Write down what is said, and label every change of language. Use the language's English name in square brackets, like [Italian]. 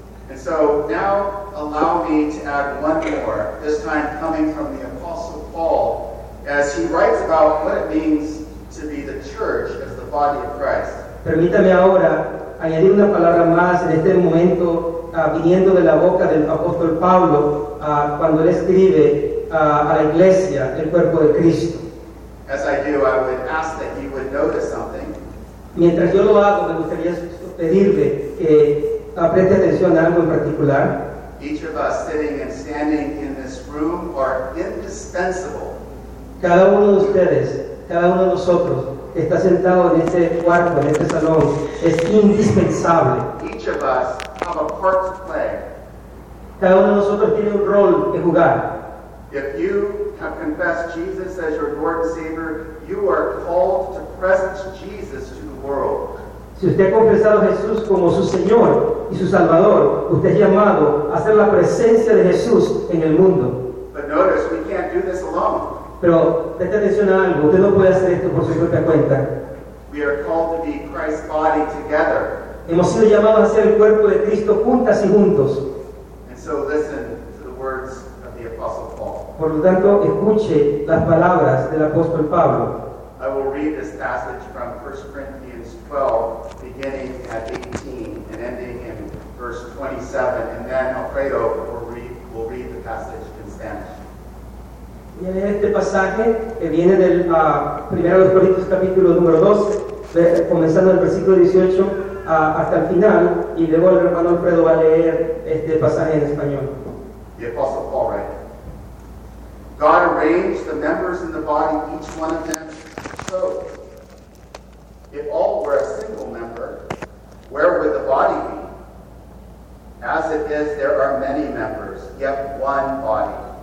[English] And so now allow me to add one more, this time coming from the Apostle Paul, as he writes about what it means to be the church as the body of Christ. [Spanish] Permítame ahora añadir una palabra más en este momento, viniendo de la boca del apóstol Pablo, cuando él escribe a la iglesia, el cuerpo de Cristo. [English] As I do, I would ask that you would notice something. [Spanish] Mientras yo lo hago, me gustaría pedirle que preste atención a algo en particular. [English] Each of us sitting and standing in this room are indispensable. [Spanish] Cada uno de ustedes, cada uno de nosotros, que está sentado en este cuarto, en este salón, es indispensable. [English] Each of us have a part to play. [Spanish] Cada uno de nosotros tiene un rol que jugar. [English] If you have confessed Jesus as your Lord and Savior, you are called to present Jesus to the world. [Spanish] Si usted ha confesado a Jesús como su Señor y su Salvador, usted es llamado a hacer la presencia de Jesús en el mundo. [English] But notice, we can't do this alone. [Spanish] Pero preste atención a algo, usted no puede hacer esto por su propia cuenta. [English] We are called to be Christ's body together. [Spanish] Hemos sido llamados a ser el cuerpo de Cristo juntas y juntos. [English] And so listen to the words of the Apostle Paul. [Spanish] Por lo tanto, escuche las palabras del apóstol Pablo. [English] I will read this passage from 1 Corinthians 12, beginning at 18 and ending in verse 27, and then Alfredo will read the passage in Spanish. [Spanish] Y en este pasaje que viene del primero de los Corintios capítulo número 12, comenzando el versículo 18 hasta el final, y luego el hermano Alfredo va a leer este pasaje en español. [English] The Apostle Paul writes, God arranged the members in the body, each one of them, so if all were a single member, where would the body be? As it is, there are many members, yet one body.